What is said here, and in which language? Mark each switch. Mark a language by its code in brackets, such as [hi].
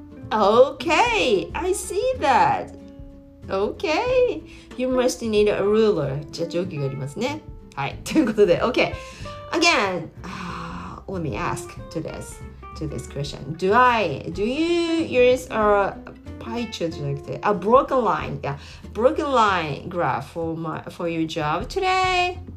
[en] Okay, I see thatOK, you must need a ruler. [ja] じゃあ定規がありますね。はい、ということで、OK. [en] Again, let me ask to this question. Do you use a pie chart [ja] じゃなくて、 [en] a broken line, yeah, broken line graph for your job today?